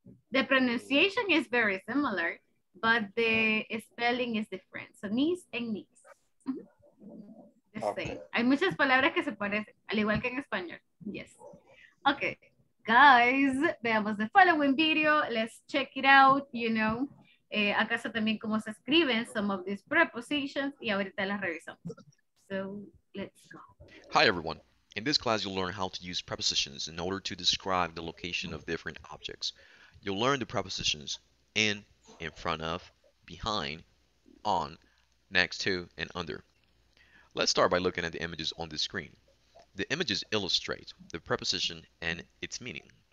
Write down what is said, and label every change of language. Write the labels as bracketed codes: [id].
[en] The pronunciation is very similar, but the spelling is different. So knees and knees. The same. Okay. [es] Hay muchas palabras que se parecen, al igual que en español. [en] Yes. Okay. Guys, [es] veamos [en] the following video. Let's check it out, you know. [es] Acaso también cómo se escriben [en] some of these prepositions [es] y ahorita las revisamos. [en] So, let's go. Hi everyone. In this class, you'll learn how to use prepositions in order to describe the location of different objects. You'll learn the prepositions in front of, behind, on, next to, and under. Let's start by looking at the images on the screen. The images illustrate the preposition and its meaning.